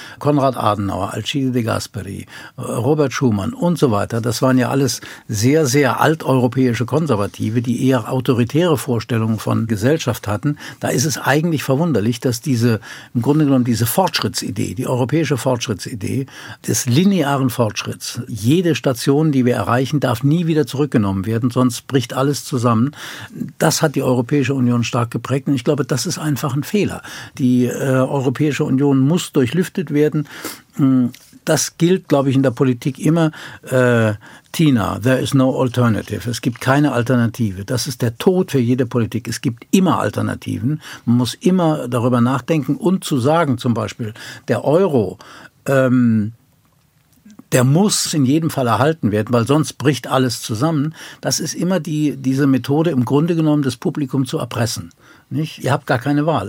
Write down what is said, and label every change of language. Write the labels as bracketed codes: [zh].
[de] Konrad Adenauer, Alcide de Gasperi, Robert Schuman und so weiter, das waren ja alles sehr, sehr alteuropäische Konservative, die eher autoritäre Vorstellungen von Gesellschaft hatten, da ist es eigentlich verwunderlich, dass diese, im Grunde genommen diese Fortschrittsidee, die europäische Fortschrittsidee des linearen Fortschritts, jede Station, die wir erreichen, darf nie wieder zurückgenommen werden, sonst bricht alles zusammen. Das hat die Europäische Union stark geprägt und ich glaube, das ist einfach ein Fehler. Die Europäische Union muss durchlüftet werden. Das gilt, glaube ich, in der Politik immer. [en] Tina, there is no alternative. [de] Es gibt keine Alternative. Das ist der Tod für jede Politik. Es gibt immer Alternativen. Man muss immer darüber nachdenken und zu sagen, zum Beispiel, der Euro, der muss in jedem Fall erhalten werden, weil sonst bricht alles zusammen. Das ist immer diese Methode, im Grunde genommen das Publikum zu erpressen. Nicht? Ihr habt gar keine Wahl.